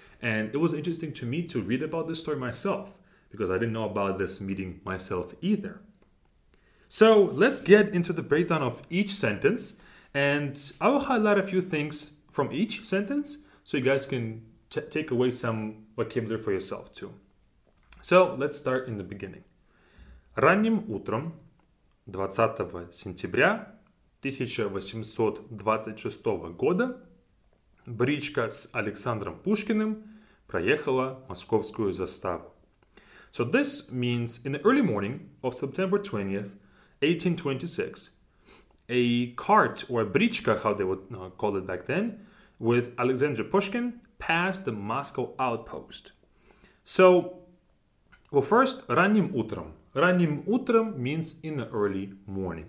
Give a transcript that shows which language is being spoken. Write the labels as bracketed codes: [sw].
[en] And it was interesting to me to read about this story myself, because I didn't know about this meeting myself either. So let's get into the breakdown of each sentence, and I will highlight a few things from each sentence so you guys can take away some vocabulary for yourself too. So let's start in the beginning. [ru] Ранним утром 20 сентября 1826 года бричка с Александром Пушкиным проехала Московскую заставу. [en] So this means in the early morning of September 20th, 1826, a cart or a brichka, how they would call it back then, with Alexander Pushkin passed the Moscow outpost. So, well, first, [ru] ранним утром. Ранним утром [en] means in the early morning.